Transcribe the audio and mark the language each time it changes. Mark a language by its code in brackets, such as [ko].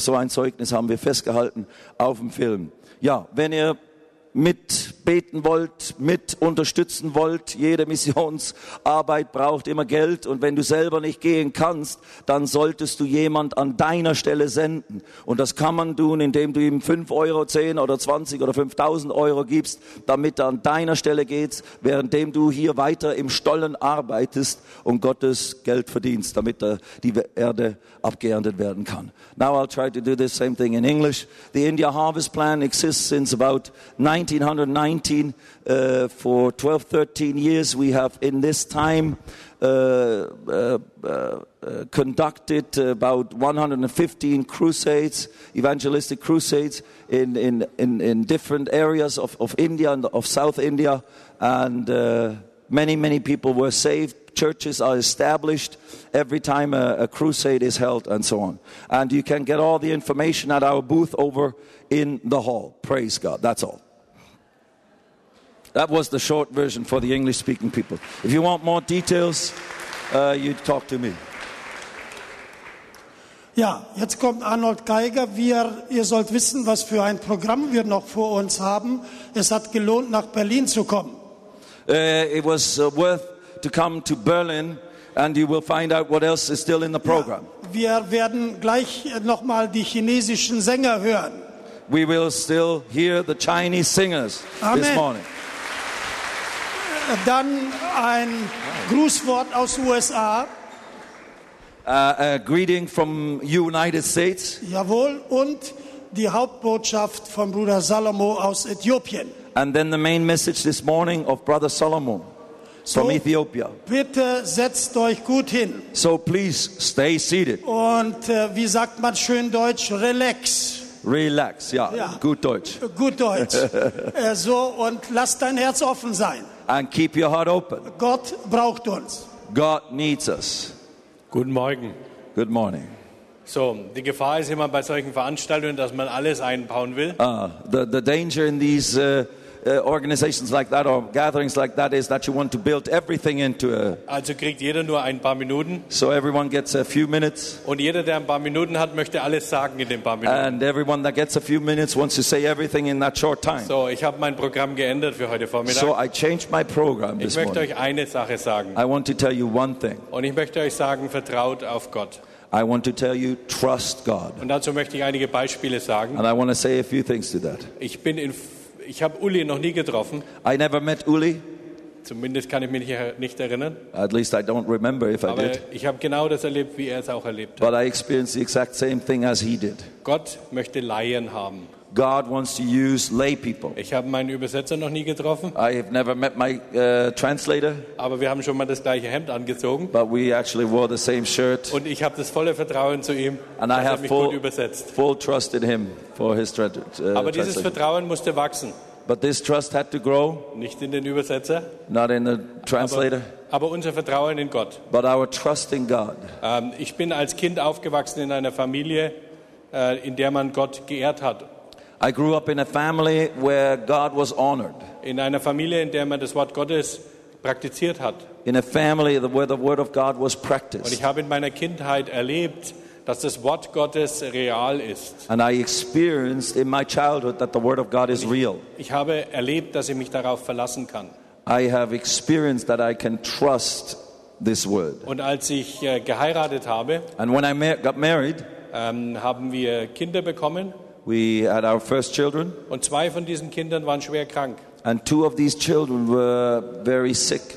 [de] So ein Zeugnis haben wir festgehalten auf dem Film. Ja, wenn ihr mitbeten wollt, mit unterstützen wollt, jede Missionsarbeit braucht immer Geld und wenn du selber nicht gehen kannst, dann solltest du jemand an deiner Stelle senden und das kann man tun, indem du ihm 5 Euro, 10 oder 20 oder 5.000 Euro gibst, damit er an deiner Stelle geht, währenddem du hier weiter im Stollen arbeitest und Gottes Geld verdienst, damit die Erde abgeerntet werden kann. [en] Now I'll try to do the same thing in English. The India Harvest Plan exists since about 1919, for 12, 13 years, we have in this time conducted about 115 crusades, evangelistic crusades, in different areas of India and of South India, and many, many people were saved. Churches are established every time a crusade is held and so on. And you can get all the information at our booth over in the hall. Praise God. That's all. That was the short version for the English-speaking people. If you want more details, you'd talk to me. [de] Ja, jetzt kommt Arnold Geiger. Ihr sollt wissen, was für ein Programm wir noch vor uns haben. Es hat gelohnt, nach Berlin zu kommen. [en] It was worth to come to Berlin, and you will find out what else is still in the program. [de] Ja, wir werden gleich nochmal die chinesischen Sänger hören. [en] We will still hear the Chinese singers. Amen. This morning. [de] Dann ein Grußwort aus USA. [en] A greeting from United States. [de] Jawohl, und die Hauptbotschaft von Bruder Salomo aus Äthiopien. [en] And then the main message this morning of Brother Solomon from Ethiopia. [de] Bitte setzt euch gut hin. [en] So please stay seated. [de] Und wie sagt man schön Deutsch? Relax. Relax, ja, gut Deutsch. Gut Deutsch. So, und lass dein Herz offen sein. [en] And keep your heart open. [de] Gott braucht uns. [en] God needs us. [de] Guten Morgen. [en] Good morning. [de] So, die Gefahr ist immer bei solchen Veranstaltungen, dass man alles einbauen will. [en] The danger in these organizations like that or gatherings like that is that you want to build everything into a... [de] Also kriegt jeder nur ein paar Minuten. [en] So everyone gets a few minutes. [de] Und jeder, der ein paar Minuten hat, möchte alles sagen in den paar Minuten. [en] And everyone that gets a few minutes wants to say everything in that short time. [de] So, ich habe mein Programm geändert für heute Vormittag. [en] So I changed my program this morning. [de] Ich möchte euch eine Sache sagen. [en] I want to tell you one thing. [de] Und ich möchte euch sagen, vertraut auf Gott. [en] I want to tell you, trust God. [de] Und dazu möchte ich einige Beispiele sagen. [en] And I want to say a few things to that. [de] Ich habe Uli noch nie getroffen. [en] I never met Uli. [de] Zumindest kann ich mich nicht erinnern. [en] At least I don't remember if [de] Aber [en] I did. [de] Ich habe genau das erlebt, wie er es auch erlebt hat. [en] But I experienced the exact same thing as he did. [de] Gott möchte Laien haben. [en] God wants to use lay people. [de] Ich habe meinen Übersetzer noch nie getroffen. [en] I have never met my translator. [de] Aber wir haben schon mal das gleiche Hemd angezogen. [en] But we actually wore the same shirt. [de] Und ich habe das volle Vertrauen zu ihm. [en] And I have [de] mich gut übersetzt. [en] Full trust in him for his translation. [de] Aber dieses Vertrauen musste wachsen. [en] But this trust had to grow. [de] Nicht in den Übersetzer. [en] Not in the translator. [de] Aber unser Vertrauen in Gott. [en] But our trust in God. [de] Ich bin als Kind aufgewachsen in einer Familie, in der man Gott geehrt hat. [en] I grew up in a family where God was honored. [de] In einer Familie, in der man das Wort Gottes praktiziert hat. [en] In a family where the word of God was practiced. [de] Und ich habe in meiner Kindheit erlebt, dass das Wort Gottes real ist. [en] And I experienced in my childhood that the word of God is real. [de] Ich habe erlebt, dass ich mich darauf verlassen kann. [en] I have experienced that I can trust this word. [de] Und als ich geheiratet habe, [en] and when I got married, [de] haben wir Kinder bekommen. [en] We had our first children. [de] Und zwei von diesen Kindern waren schwer krank. [en] And two of these children were very sick.